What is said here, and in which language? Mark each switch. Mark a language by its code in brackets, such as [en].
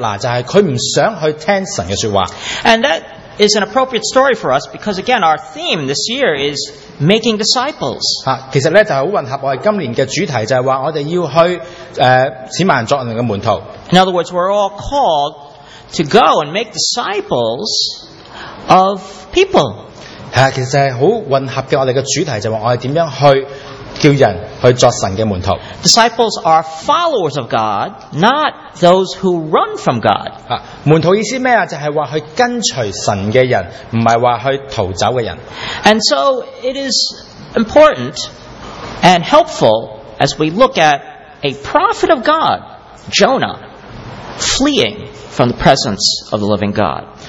[zh] 其實約拿書是說到一個人,約拿就是他不想去聽神的說話。 [en] And that is an appropriate story for us because again our theme this year is making disciples. [zh] 其實就是很混合我們今年的主題,就是說我們要去使萬人作人的門徒。 [en] In other words, we're all called to go and make disciples of people. [zh] 其實是很混合的,我們的主題就是說我們怎樣去叫人去作神的門徒。 [en] Disciples are followers of God, not those who run from God. [zh] 門徒意思是什麼? 就是說去跟隨神的人,不是說去逃走的人。 [en] And so it is important and helpful as we look at a prophet of God, Jonah, fleeing from the presence of the living God.